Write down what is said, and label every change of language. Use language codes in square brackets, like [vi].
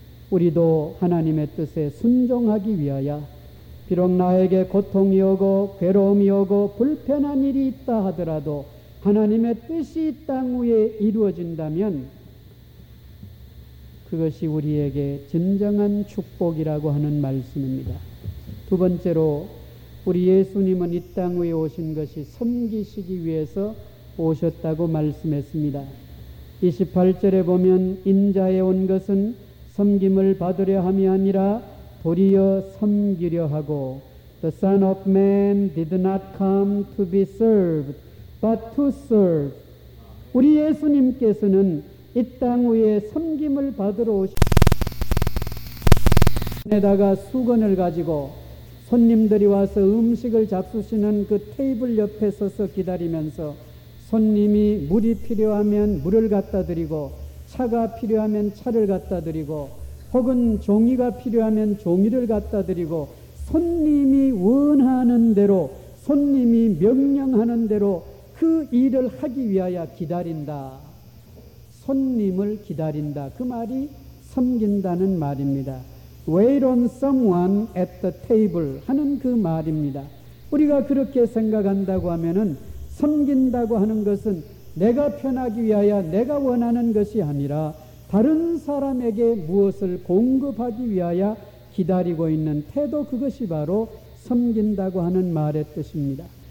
[ko] 우리도 하나님의 뜻에 순종하기 위하여 비록 나에게 고통이 오고 괴로움이 오고 불편한 일이 있다 하더라도 하나님의 뜻이 이 땅 위에 이루어진다면 그것이 우리에게 진정한 축복이라고 하는 말씀입니다. 두 번째로 우리 예수님은 이 땅 위에 오신 것이 섬기시기 위해서 오셨다고 말씀했습니다. 28절에 보면 인자에 온 것은 섬김을 받으려 함이 아니라 도리어 섬기려 하고 [en] The Son of Man did not come to be served but to serve. [ko] 우리 예수님께서는 이 땅 위에 섬김을 받으러 오셨다가 수건을 가지고 손님들이 와서 음식을 잡수시는 그 테이블 옆에 서서 기다리면서 손님이 물이 필요하면 물을 갖다 드리고 차가 필요하면 차를 갖다 드리고 혹은 종이가 필요하면 종이를 갖다 드리고 손님이 원하는 대로 손님이 명령하는 대로 그 일을 하기 위하여 기다린다. 손님을 기다린다. 그 말이 섬긴다는 말입니다. [en] Wait on someone at the table [ko] 하는 그 말입니다. 우리가 그렇게 생각한다고 하면은 섬긴다고 하는 것은 내가 편하기 위하여 내가 원하는 것이 아니라 다른 사람에게 무엇을 공급하기 위하여 기다리고 있는 태도 그것이 바로 섬긴다고 하는 말의 뜻입니다.